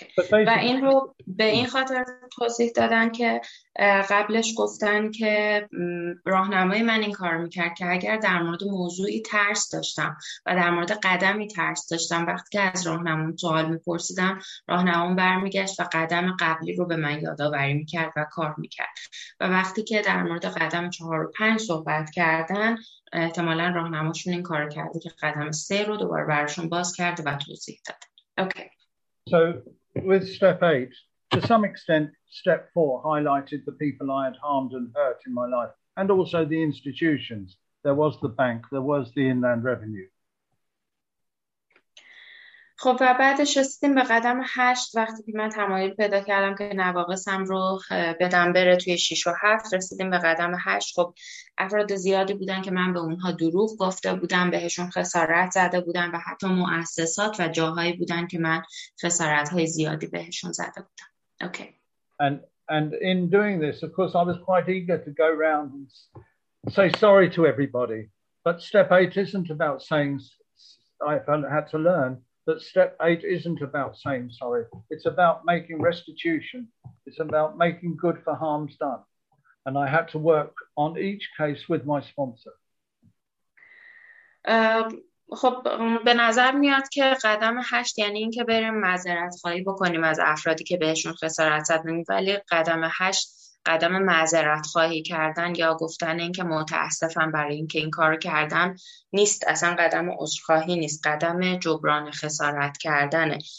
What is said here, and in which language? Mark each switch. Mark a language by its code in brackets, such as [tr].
[fa] و این رو به این خاطر توضیح دادن که قبلش گفتن که راهنمای من این کار میکرد که اگر در مورد موضوعی ترس داشتم و در مورد قدمی ترس داشتم، وقتی که از راهنمام سوال میپرسیدم، راهنمام برمیگشت و قدم قبلی رو به من یادآوری میکرد و کار میکرد. و وقتی که در مورد قدم 4 و 5 صحبت کردن، احتمالا راهنماشون این کار کرده که قدم 3 رو دوباره براشون باز کرده و توضیح داده. اوکی. [en] So with step 8, to some extent, step 4 highlighted the people I had harmed and hurt in my life, and also the institutions. There was the bank, there was the Inland Revenue. [fa] خب و بعدش رسیدیم به قدم 8. وقتی که من تمایل پیدا کردم که نواقصم رو بدم بره توی 6 و 7، رسیدیم به قدم 8. خب افراد زیادی بودن که من به اونها دروغ گفته بودم، بهشون خسارت زده بودم و حتی مؤسسات و جاهایی بودن که من خسارت‌های زیادی بهشون زده بودم. Okay. [en] And in doing this, of course, I was quite eager to go around and say sorry to everybody. But step 8 isn't about saying I had to learn. That step 8 isn't about saying sorry. It's about making restitution. It's about making good for harms done. And I had to work on each case with my sponsor. [fa] خب به نظر میاد که قدم 8 یعنی این که بریم معذرت خواهی بکنیم از افرادی که بهشون خسارت زدیم، ولی قدم 8 قدم معذرت خواهی کردن یا گفتن این که متاسفم برای این که این کار کردم نیست، اصلا قدم عذرخواهی نیست، قدم جبران خسارت کردنه.